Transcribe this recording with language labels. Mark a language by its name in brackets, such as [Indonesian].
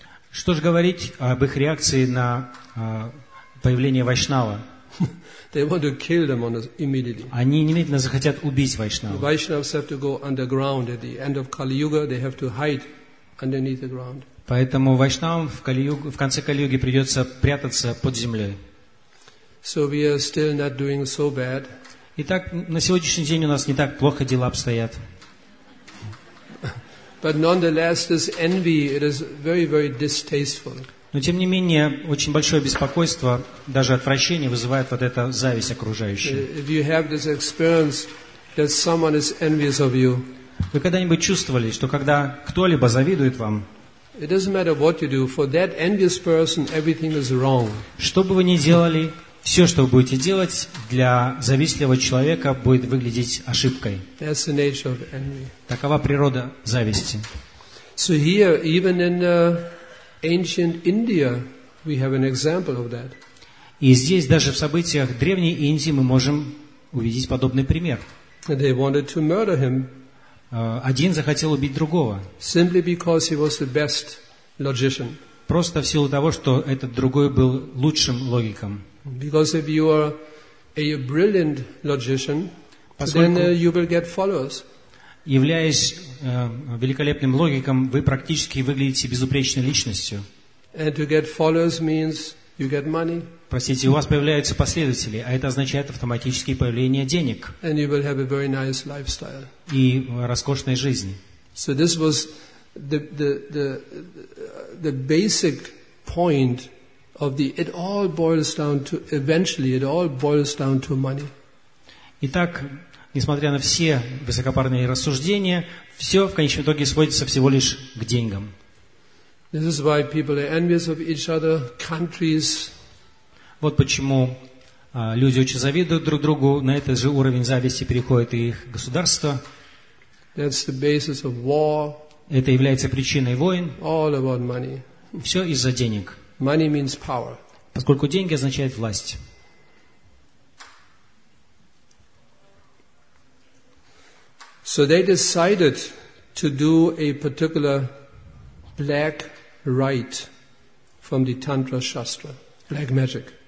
[Russian] Что же говорить об их реакции на появление Вайшнава? [English] They want to kill them immediately. [Russian] Они немедленно захотят убить Вайшнава. [English] Vaishnavas have to go underground at the end of Kali Yuga. They have to hide underneath the ground. [Russian] Поэтому Вайшнавам в конце Кали Юги придется прятаться под землей. [English] So we are still not doing so bad. [Russian] Итак, на сегодняшний день у нас не так плохо дела обстоят. [English] But nonetheless, this envy, it is very, very distasteful. [Russian] Но тем не менее, очень большое беспокойство, даже отвращение вызывает вот эта зависть окружающей. Вы когда-нибудь чувствовали, что когда кто-либо завидует вам, что бы вы ни делали, все, что вы будете делать, для завистливого человека будет выглядеть ошибкой. [English] That's the nature of envy. [Russian] Такова природа зависти. [English] So here, even in ancient India, we have an example of that. [Russian] И здесь даже в событиях древней Индии мы можем увидеть подобный пример. [English] They wanted to murder him. [Russian] Один захотел убить другого. [English] Simply because he was the best logician. [Russian] Просто в силу того, что этот другой был лучшим логиком. [English] Because if you are a brilliant logician, then you will get followers. [Russian] Являясь великолепным логиком, вы практически выглядите безупречной личностью. [English] And to get followers means you get money. [Russian] Простите, у вас появляются последователи, а это означает автоматическое появление денег. [English] And you will have a very nice lifestyle. [Russian] И роскошная жизнь. [English] So this was the basic point of the. It all boils down to eventually. It all boils down to money. [Russian] Итак. Несмотря на все высокопарные рассуждения, все в конечном итоге сводится всего лишь к деньгам. [English] This is why people are envious of each other, countries. [Russian] Вот почему люди очень завидуют друг другу, на этот же уровень зависти переходит и их государство. [English] That's the basis of war. [Russian] Это является причиной войн. [English] All about money. [Russian] Все из-за денег. [English] Money means power. [Russian] Поскольку деньги означают власть. [English] So they decided to do a particular black rite from the Tantra Shastra, black magic.